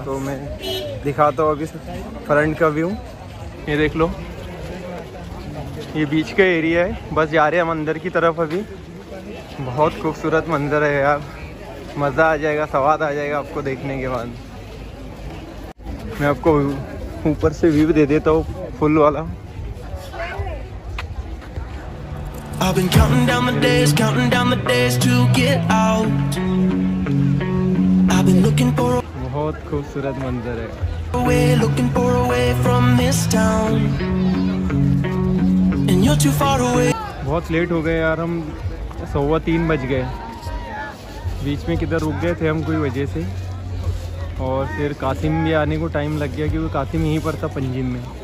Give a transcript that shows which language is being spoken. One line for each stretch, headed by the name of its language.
Hindi: तो मैं दिखाता हूँ अभी फ्रंट का व्यू, ये देख लो, ये बीच का एरिया है। बस जा रहे हैं मंदिर की तरफ अभी। बहुत खूबसूरत मंदिर है यार, मज़ा आ जाएगा, स्वाद आ जाएगा आपको देखने के बाद। मैं आपको ऊपर से व्यू दे देता हूँ फुल वाला।
English: I've been counting down the days to get out. I've been looking for a
Hindi: बहुत खूबसूरत मंजर है।
English: Away, looking for a way from this town. And you're too far away.
Hindi: बहुत लेट हो गए यार हम, 3:15 बज गए। बीच में किधर रुक गए थे हम कोई वजह से, और फिर कासिम भी आने को टाइम लग गया क्योंकि कासिम यहीं पर था पंजिम में।